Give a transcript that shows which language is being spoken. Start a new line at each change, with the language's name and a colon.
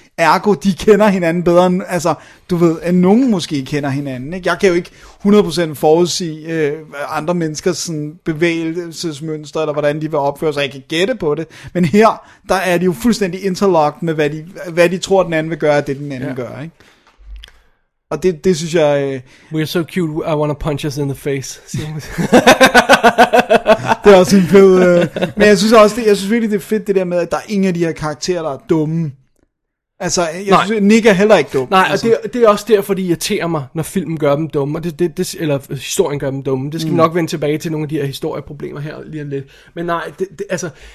Danish: Ergo, de kender hinanden bedre end, altså, du ved, end nogen måske kender hinanden. Ikke? Jeg kan jo ikke 100% forudsige andre menneskers sådan, bevægelsesmønster, eller hvordan de vil opføre sig. Jeg kan gætte på det. Men her, der er de jo fuldstændig interlocked med, hvad de tror, den anden vil gøre, og det den anden gør, ikke? Og det synes jeg...
English: We're so cute, I want to punch us in the face.
Danish: Det er også en fed... Men jeg synes også, det er fedt det der med, at der er ingen af de her karakterer, der er dumme. Altså, Nick er heller ikke dum. Nej, altså. Det er også derfor, de irriterer mig, når filmen gør dem dumme. Eller historien gør dem dumme. Det skal vi nok vende tilbage til nogle af de her historieproblemer her lige om lidt. Men nej, altså...